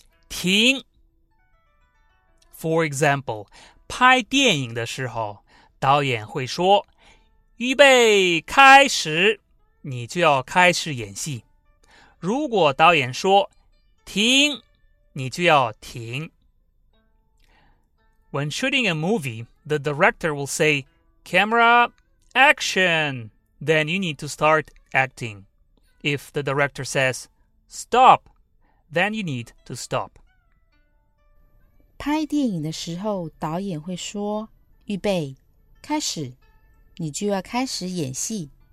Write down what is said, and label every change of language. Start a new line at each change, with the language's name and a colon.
Chinese: 停。
English: For example,
Chinese: 拍电影的时候，导演会说，预备开始，你就要开始演戏。如果导演说，停，你就要停。
English: When shooting a movie, the director will say, camera, action, then you need to start acting. If the director says, stop, then you need to stop.
Chinese: 拍电影的时候，导演会说，预备，开始，你就要开始演戏。